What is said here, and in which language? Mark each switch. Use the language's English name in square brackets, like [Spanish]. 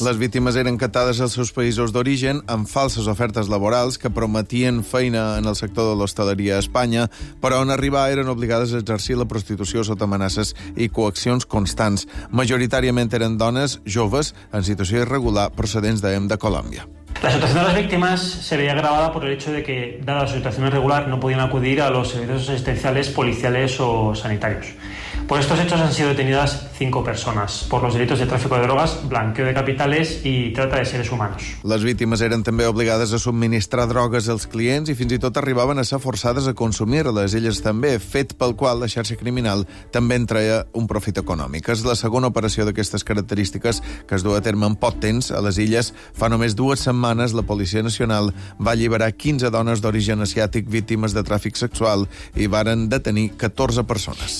[Catalan] Les víctimes eren catades als seus països d'origen amb falses ofertes laborals que prometien feina en el sector de l'hostaleria a Espanya, però on arribar eren obligades a exercir la prostitució sota amenaces i coaccions constants. Majoritàriament eren dones joves en situació irregular procedents de Colòmbia. [Spanish] La situación de las víctimas se veía agravada por el hecho de que, dada la situación irregular, no podían acudir a los servicios asistenciales, policiales o sanitarios. Por estos hechos han sido detenidas 5 personas por los delitos de tráfico de drogas, blanqueo de capitales y trata de seres humanos. [Catalan] Les víctimes eren també obligades a subministrar drogues als clients i fins i tot arribaven a ser forçades a consumir-les, elles també, fet pel qual la xarxa criminal també en traia un profit econòmic. És la segona operació d'aquestes característiques que es du a terme en poc temps a les illes. Fa només 2 setmanes la Policia Nacional va alliberar 15 dones d'origen asiàtic víctimes de tràfic sexual i varen detenir 14 persones.